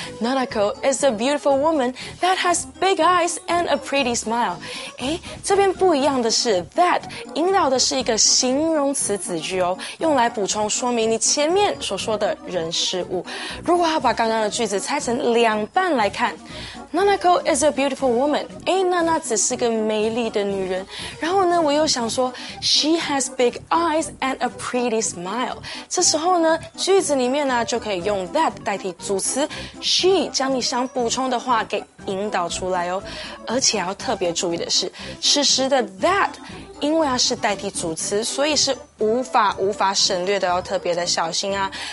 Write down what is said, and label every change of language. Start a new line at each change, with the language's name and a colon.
English: Nanako is a beautiful woman that has big eyes and a pretty smile.
Chinese: 诶，这边不一样的是 ，that 引导的是一个形容词子句哦，用来补充说明你前面所说的人事物。如果要把刚刚的句子拆成两半来看。
English: Nanako is a beautiful woman.
Chinese: 诶，娜娜只是个美丽的女人。然后呢，我又想说
English: ，She has big eyes and a pretty smile.
Chinese: 这时候呢，句子里面呢就可以用 that 代替主词 ，She 将你想补充的话给引导出来哦。而且要特别注意的是，此时的 that。因为啊是代替主词，所以是无法省略的，要特别的小心啊。